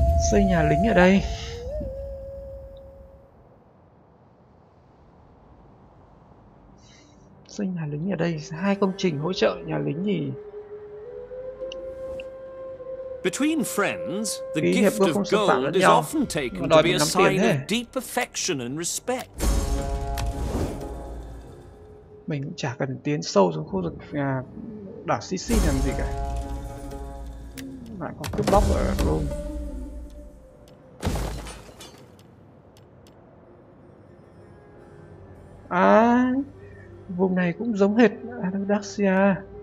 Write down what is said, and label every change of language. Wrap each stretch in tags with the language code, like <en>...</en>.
<vi>Xây nhà lính ở đây. Xây nhà lính ở đây, hai công trình hỗ trợ nhà lính gì?</vi> <en>Between friends, the gift of gold is often taken to be a sign of deep affection and respect.</en> <vi>Mình cũng chả cần tiến sâu xuống khu vực đảo CC làm gì cả. Lại có cướp bóc ở Rome. À, vùng này cũng giống hệt Anadaxia.</vi>